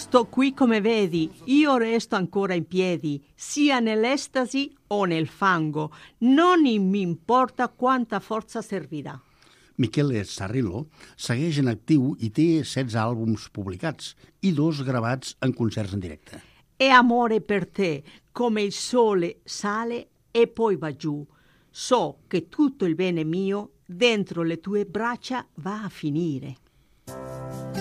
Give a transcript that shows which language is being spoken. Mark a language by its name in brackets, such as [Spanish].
[Italian] Qui come vedi, io resto ancora in piedi, sia nell'estasi o nel fango, non mi importa quanta forza servirà. [Catalan] Michele Zarrillo segueix en actiu i té 16 àlbums publicats i 2 gravats en concerts en directe. [Italian] E amore per te, come il sole sale e poi va giù. So che tutto il bene mio dentro le tue braccia va a finire.